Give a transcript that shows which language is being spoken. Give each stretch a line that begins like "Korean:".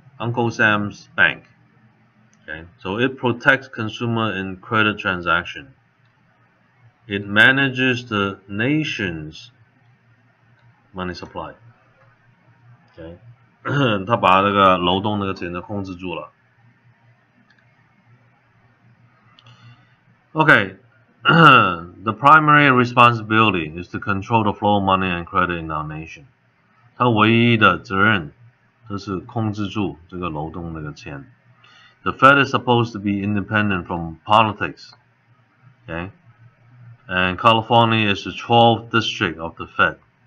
English: Uncle Sam's bank okay? So it protects consumer in credit transaction It manages the nation's money supply okay?
Chinese: 它把这个流动那个钱都控制住了 Okay,
English: the primary responsibility is to control the flow of money and credit in our nation.
Chinese: 他唯一的责任就是控制住这个流动那个钱。
English: The Fed is supposed to be independent from politics. Okay? And California is the 12th district of the Fed.